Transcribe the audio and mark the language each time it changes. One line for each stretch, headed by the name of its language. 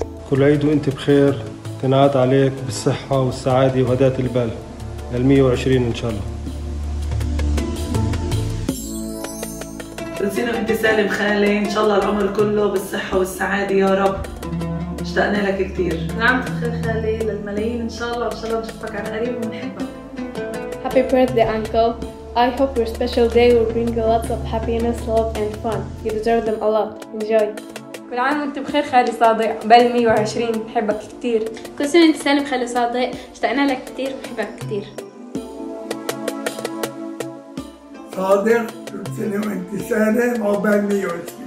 Arabic: كل عيد وانت بخير تنعاد عليك بالصحة والسعادة وهدات البال لل 120 ان شاء الله كل سنة وانت سالم خالي ان شاء الله العمر كله بالصحة والسعادة يا رب اشتقنا لك كثير. نعم بخير خالي للملايين ان شاء الله، وان شاء الله نشوفك على قريب ونحبك.
English: Happy birthday uncle. I hope your special day will bring you lots of happiness, love and fun. You deserve them a lot. Enjoy.
Arabic: كل عام وانت بخير خالي صادق، بل 120 بحبك كثير. كل سنه وانت سالم خالي صادق، اشتقنا لك كثير وبحبك كثير. صادق كل سنه وانت سالم وبل 120.